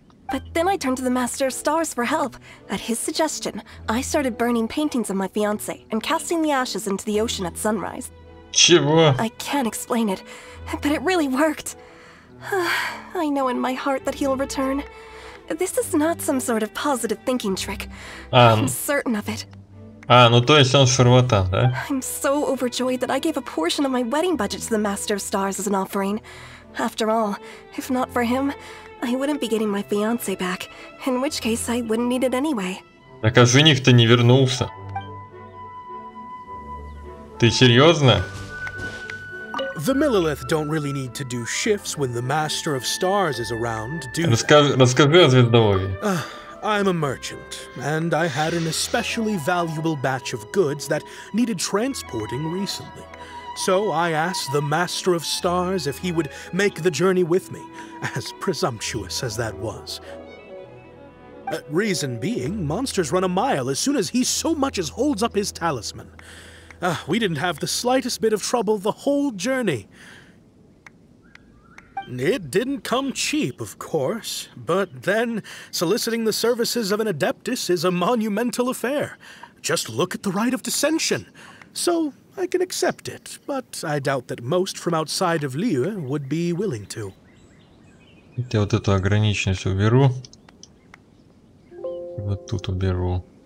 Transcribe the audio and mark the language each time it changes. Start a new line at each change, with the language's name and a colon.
English: But then I turned to the Master of Stars for help. At his suggestion, I started burning paintings of my fiance and casting the ashes into the ocean at sunrise.
Russian: Чего?
English: I can't explain it, but it really worked. I know in my heart that he'll return. This is not some sort of positive thinking trick. I'm certain of it.
Russian: Ну то есть он шарлатан, да?
English: I'm so overjoyed that I gave a portion of my wedding budget to the Master of Stars as an offering. After all, if not for him, I wouldn't be getting my fiance back, in which case I wouldn't need it anyway.
Russian: Так а жених-то не вернулся. Ты серьезно?
English: The Millilith don't really need to do shifts when the Master of Stars is around, do they?
Russian: Расскажи о звездолове.
English: I'm a merchant, and I had an especially valuable batch of goods that needed transporting recently. So I asked the Master of Stars if he would make the journey with me, as presumptuous as that was. Reason being, monsters run a mile as soon as he so much as holds up his talisman. We didn't have the slightest bit of trouble the whole journey. It didn't come cheap, of course, but then soliciting the services of an Adeptus is a monumental affair. Just look at the Rite of Dissension. So, I can accept it, but I doubt that most from outside of Liyue would be willing to.
Russian: Я вот эту ограниченность уберу. И вот тут уберу.